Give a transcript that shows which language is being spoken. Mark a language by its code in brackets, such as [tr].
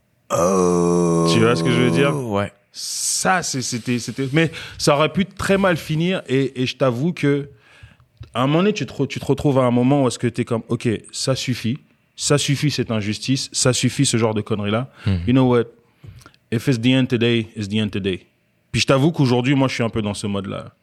[fr] Oh. Tu vois ce que je veux dire? Ouais. Ça, c'était. Mais ça aurait pu très mal finir. Et je t'avoue que. À un moment donné, tu te retrouves à un moment où est-ce que t'es comme, OK, ça suffit cette injustice, ça suffit ce genre de conneries-là. [en] Mm-hmm. You know what? If it's the end today, it's the end today. [fr] Puis je t'avoue qu'aujourd'hui, moi, je suis un peu dans ce mode-là.